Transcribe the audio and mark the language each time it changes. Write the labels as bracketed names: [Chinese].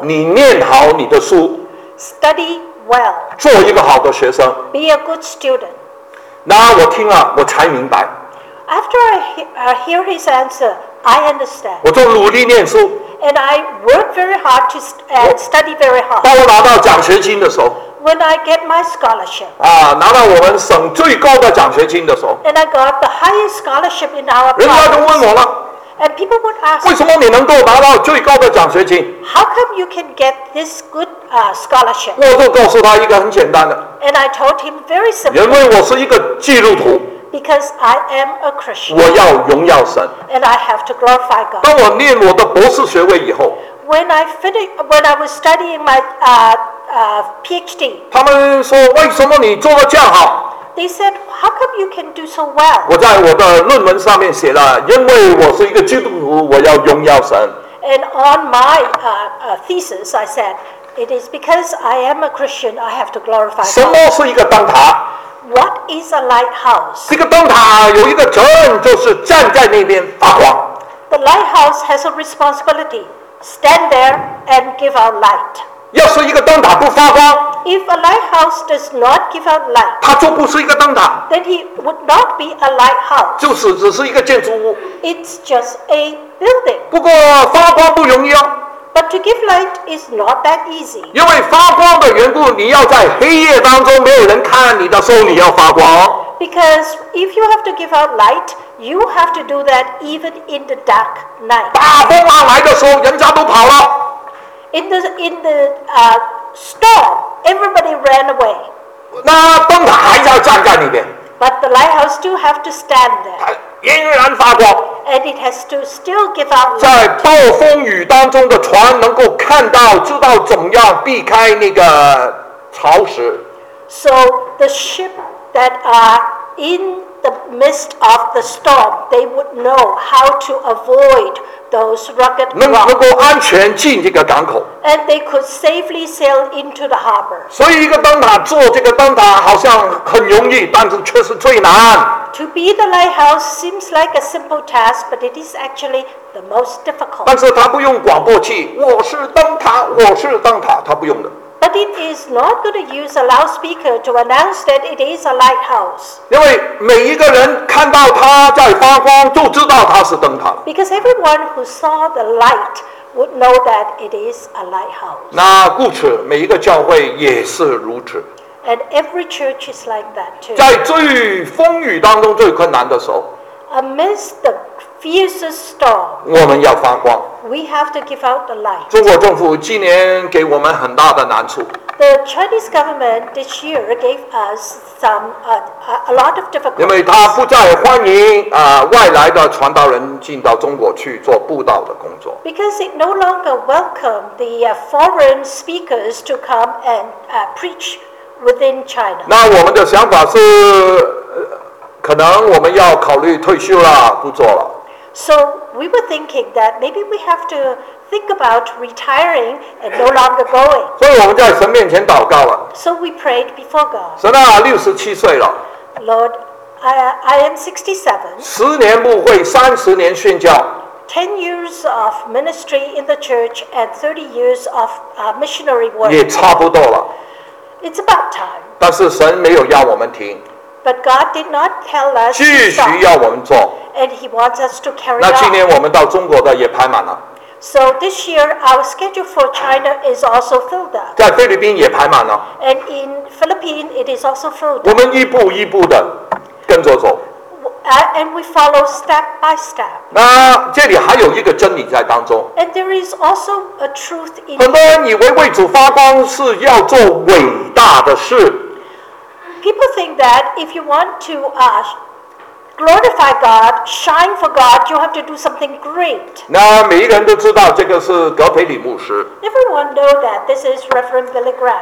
[Chinese] 你念好你的书 [English] ，Study well. [Chinese] 做一个好的学生 [English] ，Be a good student. [Chinese] 那我听了，我才明白。 [English] After I hear his answer, I understand. [Chinese] 我就努力念书。 [English] And I work very hard to study very hard. [Chinese] 当我拿到奖学金的时候。 [English] When I get my scholarship. [Chinese] 啊，拿到我们省最高的奖学金的时候。 [English] And I got the highest scholarship in our province. [Chinese] 人家就问我了。 [English] And people would ask. [Chinese] 为什么你能够拿到最高的奖学金 [English] ？How come you can get this good scholarship？ [Chinese] 我就告诉他一个很简单的。 [English] And I told him very simple. [Chinese] 因为我是一个基督徒。 [English] Because I am a Christian. [Chinese] 我要荣耀神。 [English] And I have to glorify God. [Chinese] 当我念我的博士学位以后。 [English] When I finished, when I was studying my PhD. [Chinese] 他们说为什么你做得这样好？ [English] They said, "How come you can do so well?" [Chinese] 我在我的论文上面写了，因为我是一个基督徒，我要荣耀神。 [English] And on my thesis, I said, "It is because I am a Christian, I have to glorify." [Chinese] 什么是一个灯塔 [English] ？What is a lighthouse? [Chinese] 这个灯塔有一个责任，就是站在那边发光。 [English] The lighthouse has a responsibility: stand there and give out light. [Chinese] 要是一个灯塔不发光。 [English] If a lighthouse does not give out light, [Chinese] 它就不是一个灯塔。 [English] Then it would not be a lighthouse. [Chinese] 就是只是一个建筑物。 [English] It's just a building. [Chinese] 不过发光不容易啊。 [English] But to give light is not that easy. [Chinese] 因为发光的缘故，你要在黑夜当中没有人看你的时候，你要发光。 [English] Because if you have to give out light, you have to do that even in the dark night. [Chinese] 大风浪来的时候，人家都跑了。 [English] In the storm. Everybody ran away. [Chinese] 那灯塔还要站在里面。 [English] But the lighthouse still have to stand there. [Chinese] 仍然发光。 [English] And it has to still give out light. [Chinese] 在暴风雨当中的船能够看到，知道怎么样避开那个潮湿。 [English] So the ship that are in the midst of the storm, they would know how to avoid. Those rugged rocks. [Chinese] 能够安全进这个港口。 [English] And they could safely sail into the harbor. [Chinese] 所以一个灯塔做这个灯塔好像很容易，但是却是最难。 [English] To be the lighthouse seems like a simple task, but it is actually the most difficult. [Chinese] 但是他不用广播器，我是灯塔，我是灯塔，他不用的。 [English] But it is not going to use a loudspeaker to announce that it is a lighthouse. [Chinese] 因为每一个人看到它在发光，就知道它是灯塔。 [English] Because everyone who saw the light would know that it is a lighthouse. [Chinese] 那故此，每一个教会也是如此。 [English] And every church is like that too. [Chinese] 在最风雨当中最困难的时候 [English] ，amidst the fiercest storm， [Chinese] 我们要发光。 [English] We have to give out the light. [Chinese] 中国政府今年给我们很大的难处。 [English] The Chinese government this year gave us some a lot of difficulties. [Chinese] 因为他不再欢迎外来的传道人进到中国去做布道的工作。 [English] Because it no longer welcomed the foreign speakers to come and preach within China. [Chinese] 那我们的想法是，可能我们要考虑退休了，不做了。 [English] So we were thinking that maybe we have to think about retiring and no longer going. [Chinese] 所以我们在神面前祷告了。 [English] So we prayed before God. [Chinese] 神啊，67岁了。 [English] Lord, I am 67. [Chinese] 十年牧会，30年宣教。 [English] 10 years of ministry in the church and 30 years of missionary work. [Chinese] 也差不多了。 [English] It's about time. [Chinese] 但是神没有要我们停。 [English] But God did not tell us. [Chinese] 继续要我们做。 [English] And he wants us to carry on. [Chinese] 那今年我们到中国的也排满了。 [English] So this year our schedule for China is also filled up. [Chinese] 在菲律宾也排满了。 [English] And in Philippines it is also filled up. [Chinese] 我们一步一步的跟着走。 [English] And we follow step by step. [Chinese] 那这里还有一个真理在当中。 [English] And there is also a truth in. [Chinese] 很多人以为为主发光是要做伟大的事。 [English] people think that if you want to glorify God, shine for God, you have to do something great. [Chinese] 那每一个人都知道这个是格培里牧师。 [English] Everyone know that this is Reverend Billy Graham.